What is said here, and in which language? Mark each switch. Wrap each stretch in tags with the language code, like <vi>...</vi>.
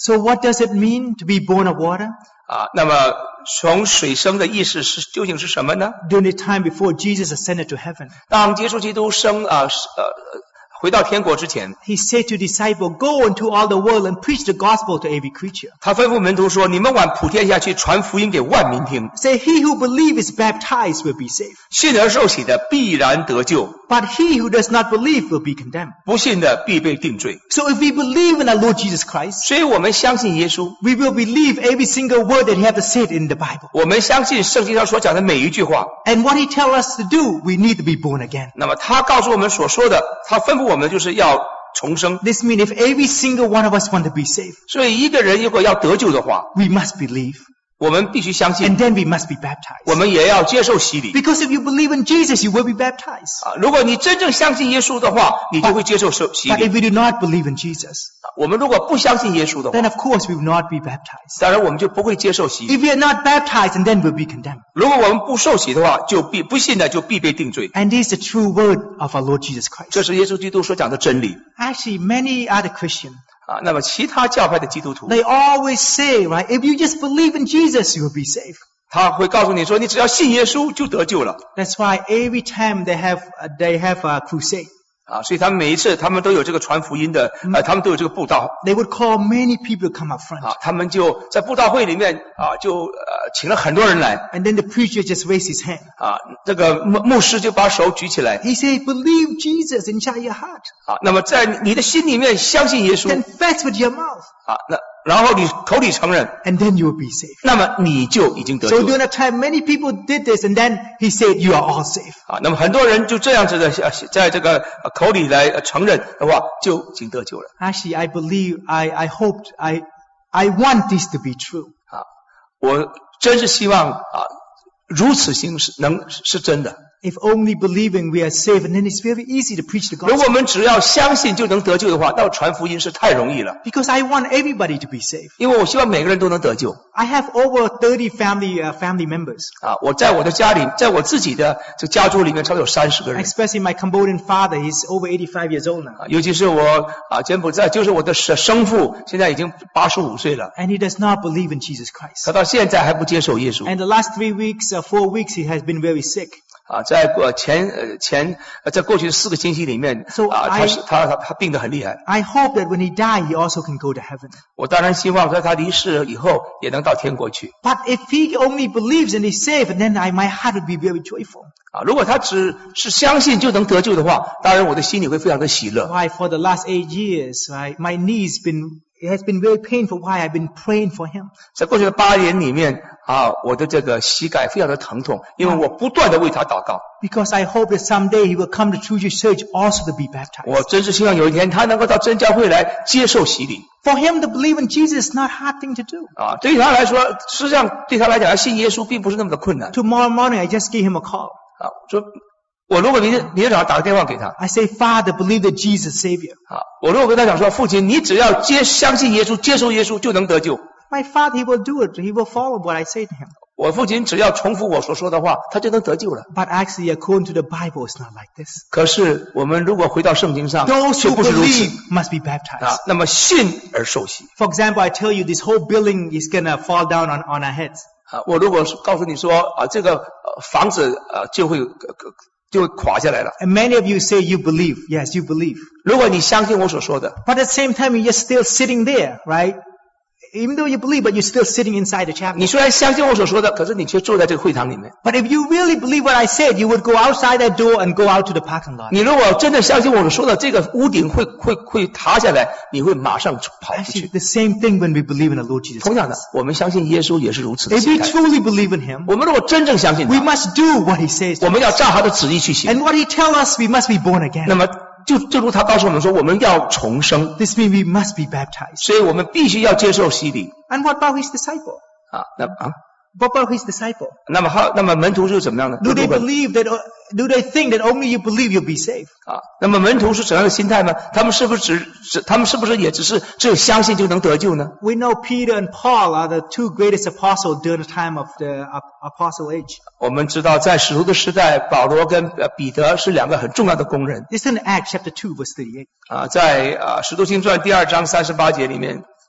<en>So what does it mean to be born of water?</en> <zh>那么从水生的意思是究竟是什么呢？</zh> <en>During the time before Jesus ascended to heaven,</en> <zh>当耶稣基督升回到天国之前</zh> <en>，He said to disciple, "Go into all the world and preach the gospel to every creature."</en> <zh>他吩咐门徒说：“你们往普天下去传福音给万民听。”</zh> <en>Say, "He who believes is baptized will be saved."</en> <zh>信而受洗的必然得救。</zh> <en>But he who does not believe will be condemned.</en> <zh>不信的必被定罪。</zh> <en>So if we believe in our Lord Jesus Christ,</en> <zh>所以我们相信耶稣。</zh> <en>We will believe every single word that he has said in the Bible.</en> <zh>我们相信圣经上所讲的每一句话。</zh> <en>And what he tells us to do, we need to be born again.</en> <zh>那么他告诉我们所说的，他吩咐我们就是要重生。</zh> <en>This means if every single one of us want to be saved,</en> <zh>所以一个人如果要得救的话</zh> <en>，we must believe.</en> <zh>我们必须相信。</zh> <en>And then we must be baptized.</en> <zh>我们也要接受洗礼。</zh> <en>Because if you believe in Jesus, you will be baptized.</en> <zh>如果你真正相信耶稣的话，你就会接受洗礼。</zh> <en>But if we do not believe in Jesus,</en> <zh>我们如果不相信耶稣的话</zh> <en>，then of course we will not be baptized.</en> <zh>当然我们就不会接受洗礼。</zh> <en>If we are not baptized, and then we'll be condemned.</en> <zh>如果我们不受洗的话，就必不信的就必被定罪。</zh> <en>And this is the true word of our Lord Jesus Christ.</en> <zh>这是耶稣基督所讲的真理。</zh> <en>Actually, many other Christians.</en> <zh>那么其他教派的基督徒</zh> <en>They always say, right, if you just believe in Jesus, you will be saved.</en> <zh>他会告诉你说，你只要信耶稣就得救了。</zh> <en>That's why every time they have a crusade.</en> <zh>啊，所以他们每一次，他们都有这个传福音的，他们都有这个布道。</zh> <en>They would call many people to come up front.</en> <zh>啊，他们就在布道会里面啊，就请了很多人来。</zh> <en>And then the preacher just raised his hand.</en> <zh>啊，这个牧师就把手举起来。</zh> <en>He said, "Believe Jesus inside your heart."</en> <zh>啊，那么在你的心里面相信耶稣。</zh> <en>Confess with your mouth.</en> <zh>啊，那然后你口里承认。</zh> <en>And then you will be safe.</en> <zh>那么你就已经得救。</zh> <en>So during that time, many people did this, and then he said, "You are all safe."</en> <zh>啊，那么很多人就这样子的，在这个口里来承认的话，就已经得救了。</zh> <en>Actually, I believe, I hoped, I want this to be true.</en> <zh>啊，我真是希望啊，如此行是能是真的。</zh> <en>If only believing we are saved, then it's very easy to preach the gospel.</en> <zh>如果我们只要相信就能得救的话，那传福音是太容易了。</zh> <en>Because I want everybody to be saved.</en> <zh>因为我希望每个人都能得救。</zh> <en>I have over 30 family members.</en> <zh>啊，我在我的家里，在我自己的这家族里面，差不多有30个人。</zh> <en>Especially my Cambodian father, he's over 85 years old now.</en> <zh>尤其是我啊，柬埔寨，就是我的生父，现在已经85岁了。</zh> <en>And he does not believe in Jesus Christ.</en> <zh>他到现在还不接受耶稣。</zh> <en>And the last 3 weeks, 4 weeks, he has been very sick.</en> <zh>啊，在前在过去的4个星期里面，啊，他病得很厉害。</zh> <en>I hope that when he die, he also can go to heaven.</en> <zh>我当然希望在他离世以后也能到天国去。</zh> <en>But if he only believes and he's saved, then my heart would be very joyful.</en> <zh>啊，如果他只是相信就能得救的话，当然我的心里会非常的喜乐。</zh> <en>Why for the last 8 years, right? My knee's been it has been very painful. Why I've been praying for him?</en> <zh>在过去的8年里面。啊，我的这个膝盖非常的疼痛，因为我不断的为他祷告。</zh> <en>Because I hope that someday he will come to True Jesus Church also to be baptized.</en> <zh>我真是希望有一天他能够到真教会来接受洗礼。</zh> <en>For him to believe in Jesus is not a hard thing to do.</en> <zh>啊，对他来说，实际上对他来讲，信耶稣并不是那么的困难。</zh> <en>Tomorrow morning I just give him a call.</en> <zh>啊，说我如果明天早上打个电话给他。</zh> <en>I say, Father, believe that Jesus is Savior.</en> <zh>啊，我如果跟他讲说，父亲，你只要相信耶稣，接受耶稣就能得救。</zh> <en>My father, he will do it. He will follow what I say to him.</en> <zh>我父亲只要重复我所说的话，他就能得救了。</zh> <en>But actually, according to the Bible, it's not like this.</en> <zh>可是我们如果回到圣经上，就不是如此。</zh> <en>Those who believe must be baptized.</en> <zh>啊，那么信而受洗。</zh> <en>For example, I tell you, this whole building is gonna fall down on our heads.</en> <zh>啊，我如果告诉你说啊，这个房子啊就会垮下来了。</zh> <en>And many of you say you believe. Yes, you believe.</en> <zh>如果你相信我所说的。</zh> <en>But at the same time, you're still sitting there, right? Even though you believe, but you're still sitting inside the chapel.</en> <zh>你虽然相信我所说的，可是你却坐在这个会堂里面。</zh> <en>But if you really believe what I said, you would go outside that door and go out to the parking lot.</en> <zh>你如果真的相信我所说的，这个屋顶会塌下来，你会马上跑出去。</zh> <en>Actually, the same thing when we believe in the Lord Jesus.</en> <zh>同样的，我们相信耶稣也是如此的心态。</zh> <en>If we truly believe in Him,</en> <zh>我们如果真正相信他</zh> <en>，we must do what He says.</en> <zh>我们要照他的旨意去行。</zh> <en>And what He tells us, we must be born again.</en> <zh>那么就如他告诉我们说，我们要重生。</zh> <en>This means we must be baptized.</en> <zh>所以我们必须要接受洗礼。</zh> <en>And what about his disciple?</en> <zh>啊，那啊。</zh> <en>What about his disciple?</en> <zh>那么门徒是怎么样的</zh> <en>？Do they believe that? Do they think that only you believe you'll be saved?</en> <zh>啊，那么门徒是怎样的心态呢？他们是不是只有相信就能得救呢</zh> <en>？We know Peter and Paul are the two greatest apostles during the time of the apostle age.</en> <zh>我们知道在使徒的时代，保罗跟彼得是两个很重要的工人。</zh> <en>This is in Acts chapter 2 verse 38.</en> <zh>啊，在啊《使徒行传》第二章38节里面。</zh>